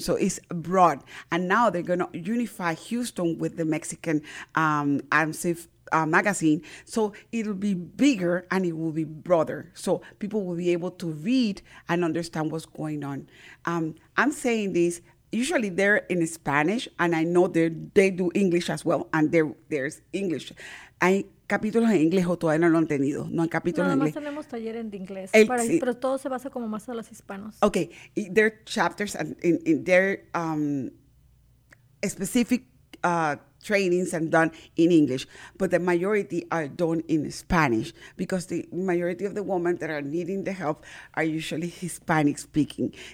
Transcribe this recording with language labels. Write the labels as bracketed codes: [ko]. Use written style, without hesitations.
[en] So it's broad. And now they're going to unify Houston with the Mexican AMSIF magazine. So it'll be bigger and it will be broader. So people will be able to read and understand what's going on. I'm saying this, usually they're in Spanish, and I know they do English as well, and there's English. [es] Capítulos en inglés o todavía no lo han tenido, no hay capítulos en inglés. No, tenemos taller en inglés, pero todo se basa como más a los hispanos. [en] Okay, their chapters and in their specific trainings and done in English, but the majority are done in Spanish because the majority of the women that are needing the help are usually Hispanic speaking.